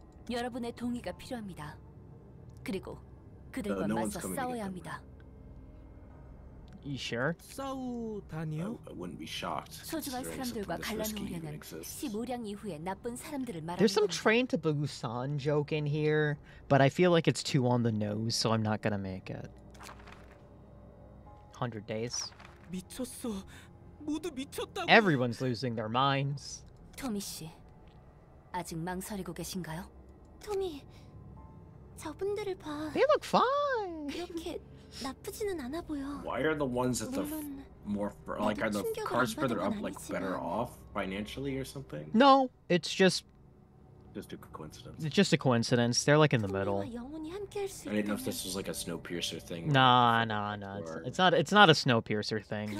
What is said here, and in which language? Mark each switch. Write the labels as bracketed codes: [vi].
[ko] 여러분의 동의가 필요합니다. 그리고, 그들과 [en] no, no [ko] 맞서 싸워야 합니다. [en] You sure? I wouldn't be shocked. [ko] 소중한 사람들과 갈라놓으려는 15량 이후에 나쁜 사람들을 말하는 [en] There's some train to Busan joke in here, but I feel like it's too on the nose, so I'm not gonna make it. 100 days. [ko] 미쳤어. 모두 미쳤다고. [en] Everyone's losing their minds. [ko] 토미 씨, 아직 망설이고 계신가요? 토미, 저분들을 봐. [en] They look fine. [ko] 그렇게 나쁘지는 않아 보여. [en] Why are the ones at the more like are the cars further up like better off financially or something? No, it's just. Just a coincidence. It's just a coincidence. They're like in the middle. I didn't know if this was like a Snowpiercer thing. Nah. It's not a Snowpiercer thing.